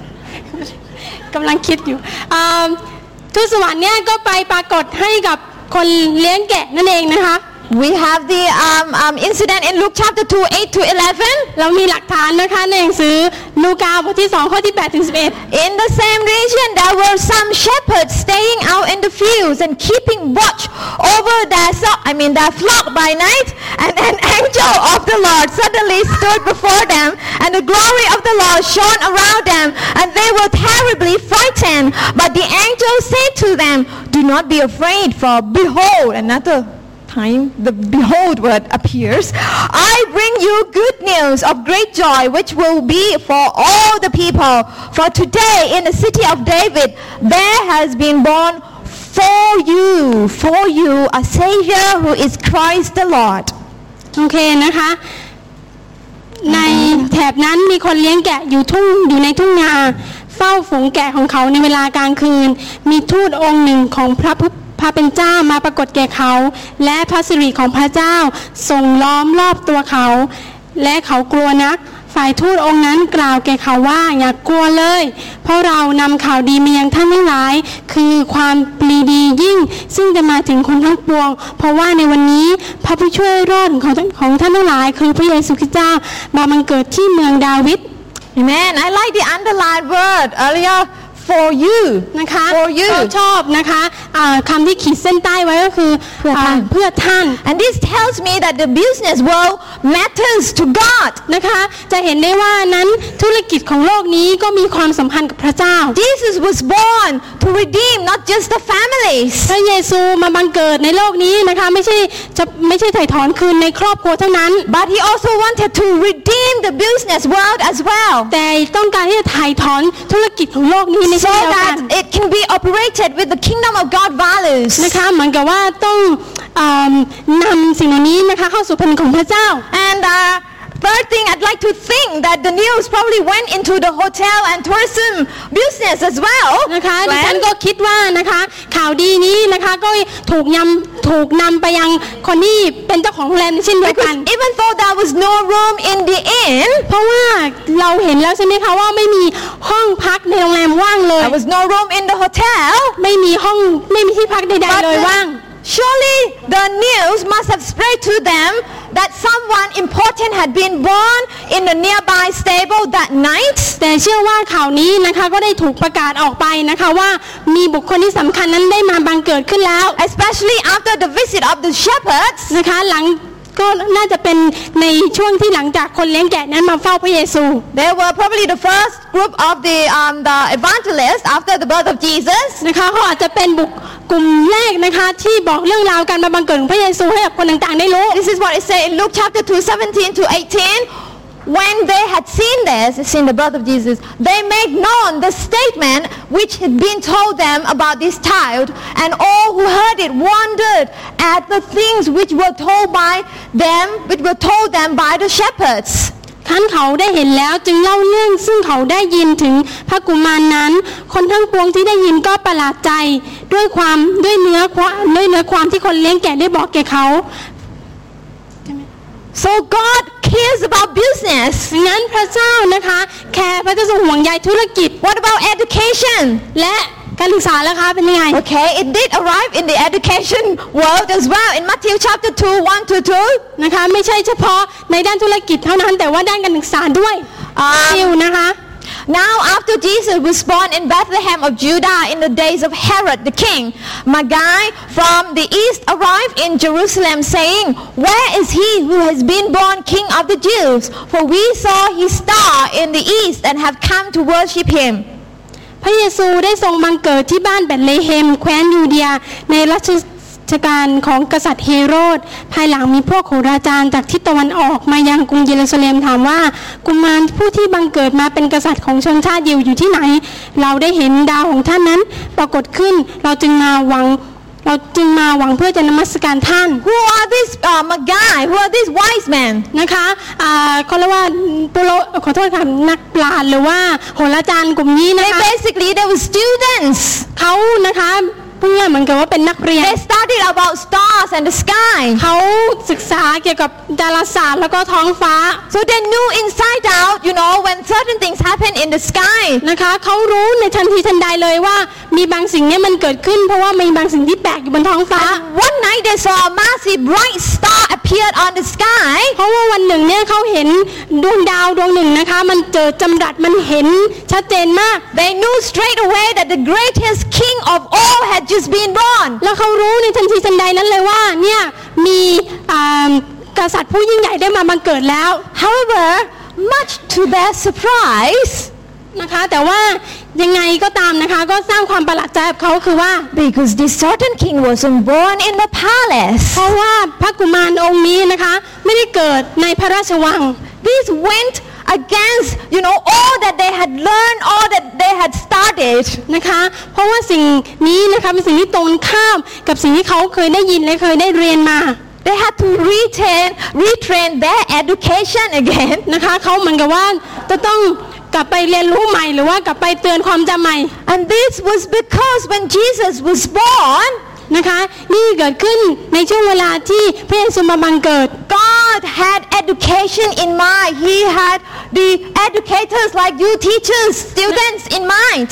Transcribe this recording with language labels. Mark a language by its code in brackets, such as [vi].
[th] แล้วก็กำลังคิดอยู่ทูตสวรรค์เนี่ยก็ไปปรากฏให้กับคนเลี้ยงแกะนั่นเองนะคะ [en] We have the incident in Luke chapter 2 8 to 11. [th] เรามีหลักฐานนะคะในหนังสือลูกาบทที่2ข้อที่8ถึง11. [en] In the same region there were some shepherds staying out in the fields and keeping watch over their flock by night and an angel of the Lord suddenly stood before them and the glory of the Lord shone around them and they were terribly frightened but the angel said to them do not be afraid for behold anotherTime the behold word appears. I bring you good news of great joy, which will be for all the people. For today, in the city of David, there has been born for you a Savior who is Christ the Lord. [th] Okay, นะคะ ในแถบนั้นมีคนเลี้ยงแกะอยู่ในทุ่งนาเฝ้าฝูงแกะของเขาในเวลากลางคืนมีทูตองค์หนึ่งของพระผู้พระเป็นเจ้ามาปรากฏแก่เขาและพระสิริของพระเจ้าทรงล้อมรอบตัวเขาและเขากลัวนัก ฝ่ายทูตองค์นั้นกล่าวแก่เขาว่าอย่ากลัวเลยเพราะเรานำข่าวดีมายังท่านทั้งหลายคือความปรีดียิ่งซึ่งจะมาถึงคนทั้งปวงเพราะว่าในวันนี้พระผู้ช่วยรอดของท่านทั้งหลายคือพระเยซูคริสต์เจ้ามาบังเกิดที่เมืองดาวิด เห็นไหม [en] I like the underlined word earlier for you [th] นะคะ [en] for you [th] ชอบนะคะคำที่ขีดเส้นใต้ไว้ก็คือ เพื่อท่าน เพื่อท่าน [en] and this tells me that the business world matters to God [th] นะคะจะเห็นได้ว่านั้นธุรกิจของโลกนี้ก็มีความสัมพันธ์กับพระเจ้า [en] Jesus was born to redeem not just the families [th] พระเยซูมาบังเกิดในโลกนี้นะคะไม่ใช่ไถ่ถอนคืนในครอบครัวเท่านั้น [en] but he also wanted to redeem the business world as well [th] แต่ต้องการที่จะไถ่ถอนธุรกิจของโลกนี้ [en] So that it can be operated with the kingdom of God values. [th] นะคะ เหมือนกับว่าต้องนำสิ่งเหล่านี้นะคะเข้าสู่แผ่นของพระเจ้า [en] And third thing, I'd like to think that the news probably went into the hotel and tourism business as well. [th] นะคะ ฉันก็คิดว่านะคะข่าวดีนี้นะคะก็ถูกนำไปยังคนที่เป็นเจ้าของโรงแรมเช่นเดียวกัน [en] Even though there was no room in the inn [th] เพราะว่าเราเห็นแล้วใช่ไหมคะว่าไม่มีห้องพักในโรงแรมว่างเลย [en] There was no room in the hotel [th] ไม่มีห้องไม่มีที่พักใดๆเลยว่าง [en] Surely the news must have spread to them that someone important had been born in the nearby stable that night [th] แต่เชื่อว่าข่าวนี้นะคะก็ได้ถูกประกาศออกไปนะคะว่ามีบุคคลที่สำคัญนั้นได้มาบังเกิดขึ้นแล้ว [en] especially after the visit of the shepherds [th] นะคะหลังก็น่าจะเป็นในช่วงที่หลังจากคนเลี้ยงแกะนั้นมาเฝ้าพระเยซู [en] they were probably the first group of the evangelists after the birth of Jesus [th] นะคะเขาอาจจะเป็นบุคกลุ่มแรกนะคะที่บอกเรื่องราวการมาบังเกิดของพระเยซูให้กับคนต่างๆได้รู้ [en] This is what it says in Luke chapter 2 17 to 18 when they had seen the birth of Jesus they made known the statement which had been told them about this child and all who heard it wondered at the things which were told by them which were told them by the shepherds [th] ท่านเขาได้เห็นแล้วจึงเล่าเรื่องซึ่งเขาได้ยินถึงพระกุมารนั้นคนทั้งปวงที่ได้ยินก็ประหลาดใจด้วยเนื้อความที่คนเลี้ยงแกะได้บอกแก่เขา [en] So God cares about business [th] งั้นพระเจ้านะคะแคร์พระเจ้าทรงห่วงใยธุรกิจ [en] What about education [th] และการศึกษาแล้วคะเป็นยังไง [en] Okay it did arrive in the education world as well in Matthew chapter 2 1 to 2 [th] นะคะไม่ใช่เฉพาะในด้านธุรกิจเท่านั้นแต่ว่าด้านการศึกษาด้วยนะคะ [en] Now after Jesus was born in Bethlehem of Judah in the days of Herod the king Magi from the east arrived in Jerusalem saying Where is he who has been born king of the Jews for we saw his star in the east and have come to worship him [th] พระเยซูได้ทรงบังเกิดที่บ้านเบธเลเฮมแคว้นยูเดียในรัชกาลของกษัตริย์เฮโรดภายหลังมีพวกโหราจารย์จากทิศตะวันออกมายังกรุงเยรูซาเล็มถามว่ากุมารผู้ที่บังเกิดมาเป็นกษัตริย์ของชนชาติยิวอยู่ที่ไหนเราได้เห็นดาวของท่านนั้นปรากฏขึ้นเราจึงมาหวังเพื่อจะนมัสการท่าน [en] Who are these magi? Who are these wise men? [th] นะคะคนละว่าปุโรขอโทษค่ะนักปราชญ์หรือว่าโหราจารย์กลุ่มนี้นะคะ [en] They basically they were students [th] เขานะคะเพื่อเหมือนกับว่าเป็นนักเรียน [en] They studied about stars and the sky [th] เขาศึกษาเกี่ยวกับดาราศาสตร์แล้วก็ท้องฟ้า [en] So they knew inside out you know when certain things happen in the sky [th] นะคะเขารู้ในทันทีทันใดเลยว่ามีบางสิ่งนี้มันเกิดขึ้นเพราะว่ามีบางสิ่งที่แปลกอยู่บนท้องฟ้า [en] One night they saw a massive bright star appeared on the sky [th] เพราะว่าวันหนึ่งเนี่ยเขาเห็นดวงดาวดวงหนึ่งนะคะมันเจอจำรัดมันเห็นชัดเจนมาก [en] They knew straight away that the greatest king of all hadjust been born [th] แล้วเขารู้ในทันทีทันใดนั้นเลยว่าเนี่ยมีกษัตริย์ผู้ยิ่งใหญ่ได้มาบังเกิดแล้ว [en] however much to their surprise [th] นะคะแต่ว่ายังไงก็ตามนะคะก็สร้างความประหลาดใจกับเขาคือว่า [en] because this certain king wasn't born in the palace [th] เพราะว่าพระกุมารองค์นี้นะคะไม่ได้เกิดในพระราชวัง [en] this wentagainst you know all that they had learned all that they had studied [th] นะคะเพราะว่าสิ่งนี้นะคะเป็นสิ่งที่ตรงข้ามกับสิ่งที่เขาเคยได้ยินและเคยได้เรียนมา [en] they had to retrain their education again [th] นะคะเขาเหมือนกับว่าจะต้องกลับไปเรียนรู้ใหม่หรือว่ากลับไปเตือนความจำใหม่ [en] and this was because when Jesus was born [th] นะคะนี่เกิดขึ้นในช่วงเวลาที่พระเยซูมาบังเกิด [en] God God had education in mind. He had the educators like you, teachers, students in mind.